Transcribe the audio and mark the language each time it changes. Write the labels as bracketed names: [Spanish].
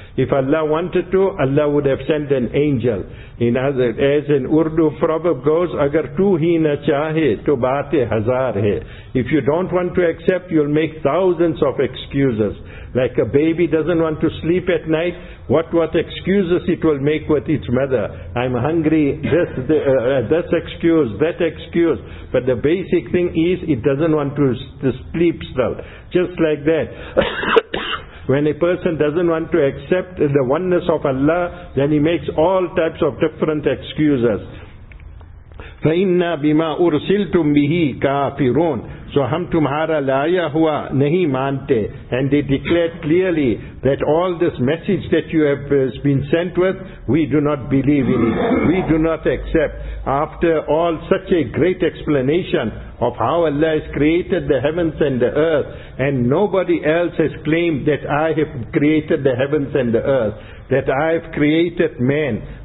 [English] If Allah wanted to, Allah would have sent an angel. In other, as in Urdu proverb goes, [Urdu] اگر تو ہی نہ چاہے تو باتیں ہزار ہے. [English] If you don't want to accept, you'll make thousands of excuses. Like a baby doesn't want to sleep at night, what excuses it will make with its mother. I'm hungry, this excuse, that excuse. But the basic thing is, it doesn't want to sleep still. Just like that. When a person doesn't want to accept the oneness of Allah, then he makes all types of different excuses. [Arabic] فَإِنَّا بِمَا أُرْسِلْتُمْ بِهِ كَافِرُونَ. [Urdu] So ہم تمہارا لایا ہوا نہیں مانتے. [English] And they declared clearly that all this message that you have been sent with, we do not believe in it. We do not accept. After all such a great explanation of how Allah has created the heavens and the earth, and nobody else has claimed that I have created the heavens and the earth, that I have created man.